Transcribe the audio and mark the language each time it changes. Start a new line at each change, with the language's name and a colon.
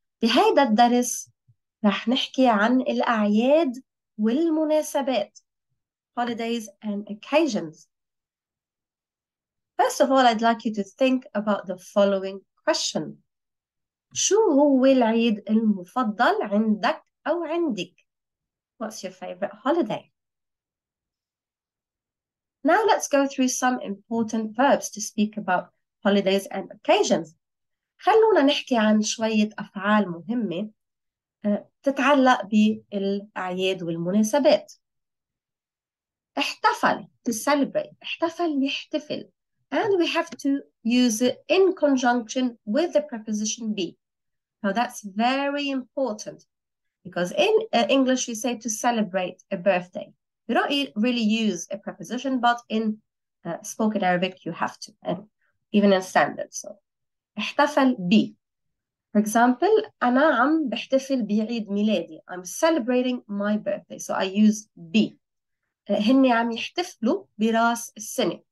Arabic: بهيدا الدرس رح نحكي عن الأعياد والمناسبات,
English: holidays and occasions. First of all, I'd like you to think about the following question.
Arabic: شو هو العيد المفضل عندك أو عندك؟
English: What's your favorite holiday? Now let's go through some important verbs to speak about holidays and occasions.
Arabic: خلونا نحكي عن شوية أفعال مهمة تتعلق بالأعياد والمناسبات. احتفل,
English: to celebrate.
Arabic: احتفل, يحتفل.
English: And we have to use it in conjunction with the preposition be. Now that's very important because in English you say to celebrate a birthday. You don't really use a preposition, but in spoken Arabic you have to, and even in standard. So,
Arabic: احتفل بي.
English: For example,
Arabic: أنا عم بحتفل بعيد ميلادي.
English: I'm celebrating my birthday. So I use بي.
Arabic: هني عم يحتفلوا براس السنة.